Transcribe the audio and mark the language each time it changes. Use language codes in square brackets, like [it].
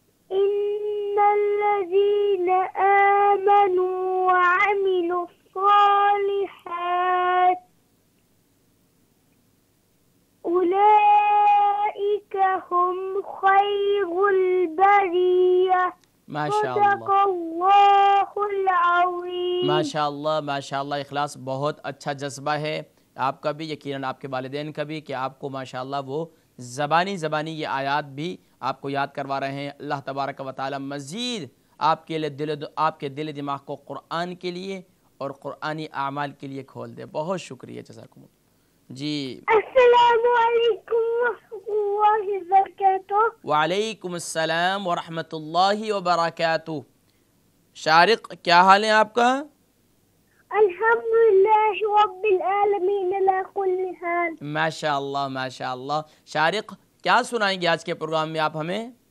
[ar] إن الذين آمنوا وعملوا الصالحات أولئك هم خير البرية. ما شاء الله. صدق الله العظيم. ما شاء الله ما شاء الله. [ur] إخلاص بہت اچھا جذبہ ہے آپ کا بھی یقیناً آپ کے والدین کا بھی کہ آپ کو ما شاء الله وہ زبانی یہ آیات بھی آپ کو یاد کروا رہے ہیں. اللہ تبارک و تعالی مزید آپ کے لیے آپ کے دل دماغ کو قرآن کے لیے اور قرآنی اعمال کے لیے کھول دے. بہت شکریہ جزاکم اللہ. جی السلام علیکم ورحمۃ اللہ وبرکاتہ. وعلیکم السلام ورحمۃ اللہ وبرکاتہ. شارق کیا حال ہیں آپ کا؟ [ar] الحمد لله رب العالمين لا كل حال. ما شاء الله ما شاء الله. [ur] شارق کیا سنائیں گے آج کے پروگرام میں آپ ہمیں؟